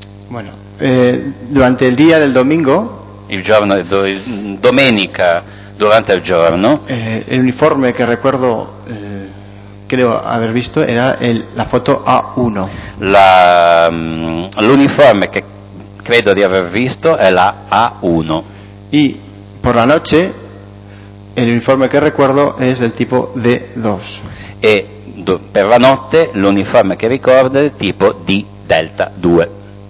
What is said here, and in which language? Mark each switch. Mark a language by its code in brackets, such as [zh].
[es] Bueno, durante el día del domingo, [it] domenica durante el giorno, [es] el uniforme que recuerdo creo haber visto era la foto A1. [it] L'uniforme [es] que [it] credo di aver visto è la A1. [es] Y por la noche el uniforme que recuerdo es del tipo D2. [it] E per la notte l'uniforme che ricordo è del tipo D Delta 2.